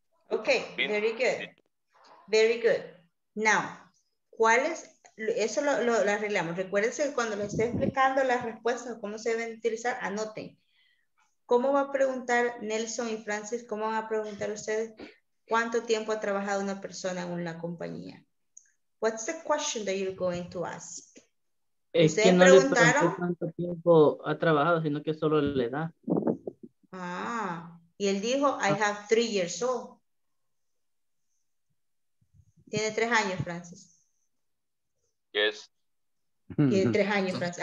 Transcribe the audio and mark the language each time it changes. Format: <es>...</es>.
<en>Okay, very good. Very good. Now,</en> <es>¿cuál es? Eso lo arreglamos. Recuérdense cuando les esté explicando las respuestas, cómo se deben utilizar, anoten. ¿Cómo va a preguntar Nelson y Francis? ¿Cómo van a preguntar ustedes cuánto tiempo ha trabajado una persona en una compañía?</es> <en>What's the question that you're going to ask?</en> <es>Es que no le pregunté cuánto tiempo ha trabajado, sino que solo la edad. Ah, y él dijo,</es> <en>I have 3 years old.</en> <es>Tiene 3 años, Francis.</es> <en>Yes.</en> <es>Tiene 3 años, Francis.</es>